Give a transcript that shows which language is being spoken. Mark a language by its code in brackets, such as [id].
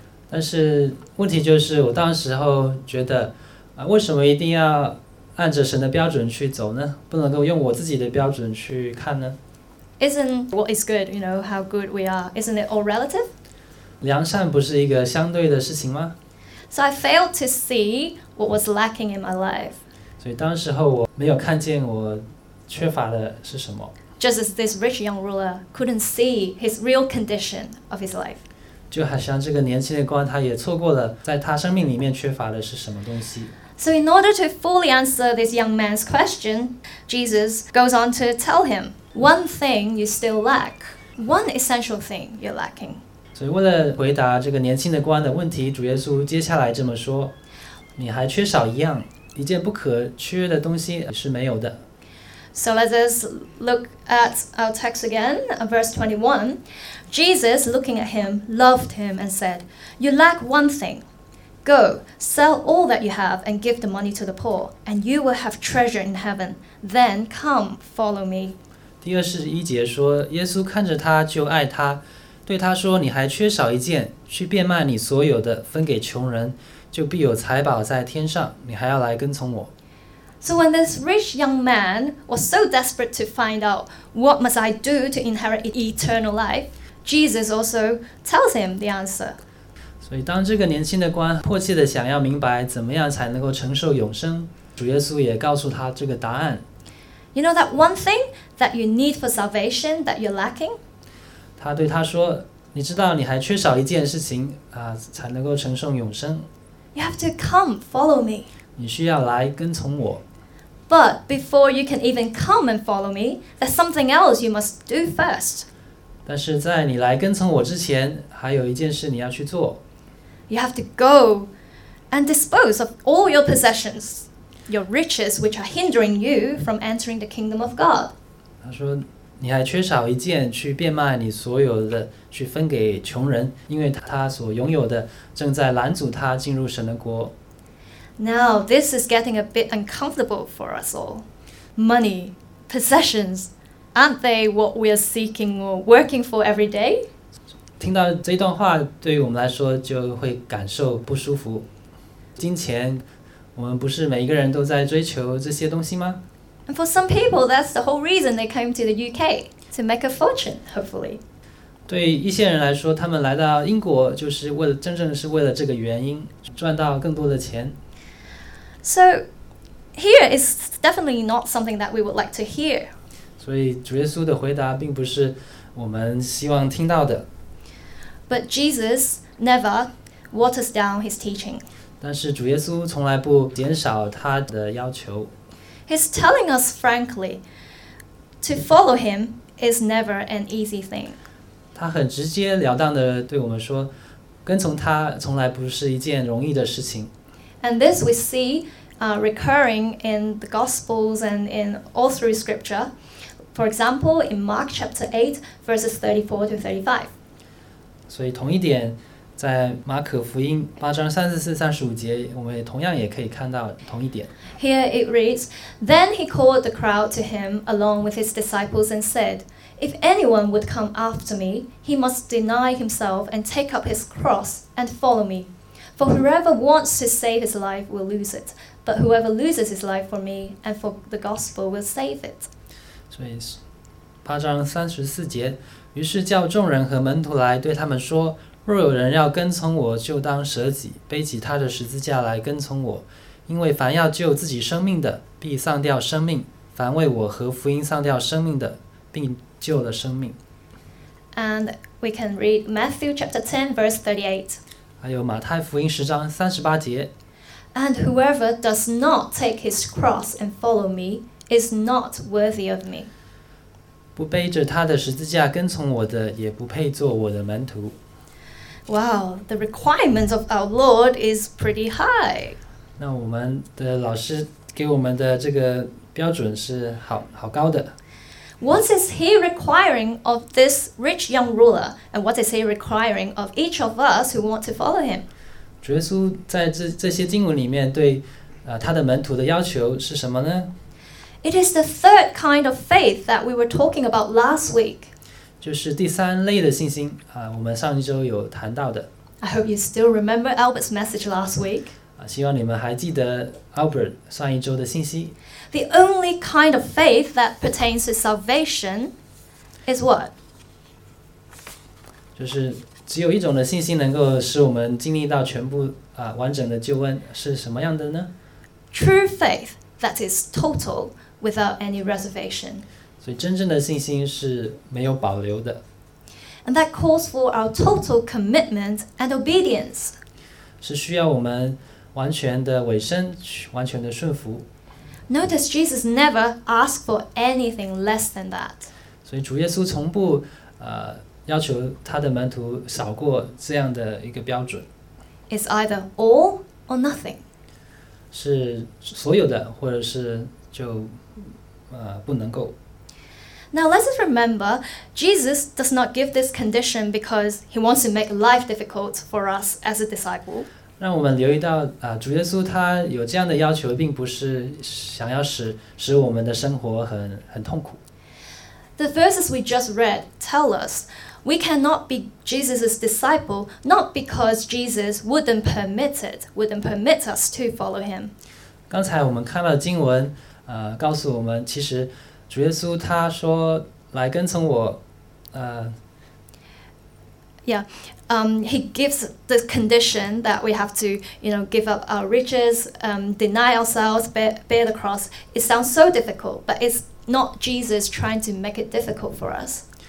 [zh] 但是问题就是，我当时候觉得，为什么一定要按着神的标准去走呢？不能够用我自己的标准去看呢？ [en] Isn't what is good, you know, how good we are, isn't it all relative? [zh] 良善不是一个相对的事情吗？ [en] So I failed to see what was lacking in my life. [zh] 所以当时候我没有看见我缺乏的是什么。 [en] Just as this rich young ruler couldn't see his real condition of his life. [zh] 就好像这个年轻的官他也错过了在他生命里面缺乏的是什么东西。 [en] So in order to fully answer this young man's question, Jesus goes on to tell him, one thing you still lack, one essential thing you're lacking. [zh] 所以为了回答这个年轻的官的问题，主耶稣接下来这么说，你还缺少一样。一件不可缺的东西是没有的。 [en] So let us look at our text again, verse 21. Jesus, looking at him, loved him and said, You lack one thing. Go, sell all that you have and give the money to the poor, and you will have treasure in heaven. Then come, follow me. [zh] 第二十一节说，耶稣看着他就爱他，对他说，你还缺少一件，去变卖你所有的，分给穷人，就必有财宝在天上，你还要来跟从我。 [en] So when this rich young man was so desperate to find out what must I do to inherit eternal life, Jesus also tells him the answer. [zh] 所以当这个年轻的官迫切地想要明白怎么样才能够承受永生，主耶稣也告诉他这个答案。 [en] You know that one thing that you need for salvation that you're lacking? [zh] 他对他说，你知道你还缺少一件事情啊，才能够承受永生。 [en] You have to come, follow me. [zh] 你需要来跟从我。 [en] But before you can even come and follow me, there's something else you must do first. [zh] 但是在你来跟从我之前，还有一件事你要去做。 [en] You have to go and dispose of all your possessions, your riches which are hindering you from entering the kingdom of God. [zh] 他说，你还缺少一件，去变卖你所有的，去分给穷人，因为他所拥有的正在拦阻他进入神的国。 [en] Now, this is getting a bit uncomfortable for us all. Money, possessions, aren't they what we are seeking or working for every day? [zh] 听到这段话对于我们来说就会感受不舒服。金钱，我们不是每一个人都在追求这些东西吗？ [en] And for some people, that's the whole reason they came to the UK, to make a fortune, hopefully. [zh] 对一些人来说，他们来到英国就是为了，真正是为了这个原因，赚到更多的钱。 [en] So here is definitely not something that we would like to hear. [zh] 所以主耶稣的回答并不是我们希望听到的。 [en] But Jesus never waters down his teaching. [zh] 但是主耶稣从来不减少他的要求。 [en] He's telling us frankly, to follow him is never an easy thing. [zh] 他很直接了当地对我们说，跟从他从来不是一件容易的事情。 [en] And this we see recurring in the Gospels and in all through Scripture. For example, in Mark chapter 8, verses 34-35. [zh] 所以同一点，在马可福音八章三十四、三十五节，我们同样也可以看到同一点。 [en] Here it reads, Then he called the crowd to him along with his disciples and said, If anyone would come after me, he must deny himself and take up his cross and follow me. For whoever wants to save his life will lose it, but whoever loses his life for me and for the gospel will save it. [zh] 所以八章三十四节，于是叫众人和门徒来对他们说：若有人要跟从我，就当舍己，背起他的十字架来跟从我。因为凡要救自己生命的，必丧掉生命；凡为我和福音丧掉生命的，必救了生命。 [en] And we can read Matthew chapter 10, verse 38. [zh] 还有马太福音十章三十八节。 [en] And whoever does not take his cross and follow me is not worthy of me. [zh] 不背着他的十字架跟从我的，也不配做我的门徒。 [en] Wow, the requirements of our Lord is pretty high. [zh] 那我们的老师给我们的这个标准是好高的。 [en] What is he requiring of this rich young ruler? And what is he requiring of each of us who want to follow him? [zh] 主耶稣在 这些经文里面对他的门徒的要求是什么呢？ [en] It is the third kind of faith that we were talking about last week. [zh] 就是第三类的信心我们上一周有谈到的。 [en] I hope you still remember Albert's message last week. [zh] 希望你们还记得 Albert 上一周的信息。 [en] The only kind of faith that pertains to salvation is what? [zh] 就是只有一种的信心能够使我们经历到全部完整的救恩是什么样的呢? [en] True faith that is total without any reservation. [zh] 所以真正的信心是没有保留的。 [en] And that calls for our total commitment and obedience. [zh] 是需要我们完全的委身，完全的顺服。 [en] Notice Jesus never asked for anything less than that. [zh] 所以主耶稣从不要求他的门徒少过这样的一个标准。 [en] It's either all or nothing. [zh] 是所有的，或者是就不能够。 [en] Now let's remember, Jesus does not give this condition because he wants to make life difficult for us as a disciple. [zh] 让我们留意到，主耶稣他有这样的要求，并不是想要使我们的生活很痛苦。 [en] The verses we just read tell us we cannot be Jesus' disciple not because Jesus wouldn't permit us to follow him. [zh] 刚才我们看到经文，告诉我们其实主耶稣他说来跟从我， [en] He gives the condition that we have to, you know, give up our riches, deny ourselves, bear the cross. It sounds so difficult, but it's not Jesus trying to make it difficult for us.